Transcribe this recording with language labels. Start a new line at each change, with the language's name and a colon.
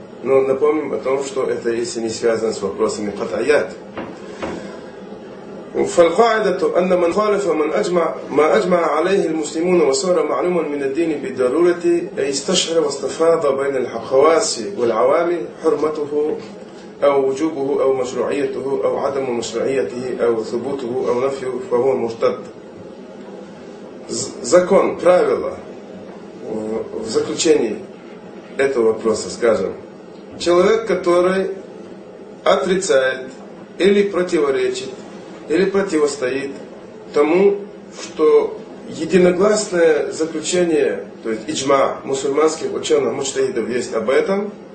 Russian: Но напомним о том, что это если не связано с вопросами قطعيات.
Arabic: فالقاعدة أن من خالف من أجمع ما أجمع عليه المسلمون وصار معلوما من الدين بالضرورة استشعر واستفاض بين الحواس والعوام حرمته أو وجوبه أو مشروعيته أو عدم مشروعيته أو ثبوته أو نفيه فهو مرتد.
Russian: Закон, правило в заключении этого вопроса, скажем, человек, который отрицает или противоречит, или противостоит тому, что единогласное заключение, то есть иджма мусульманских ученых, мучтахидов есть об этом,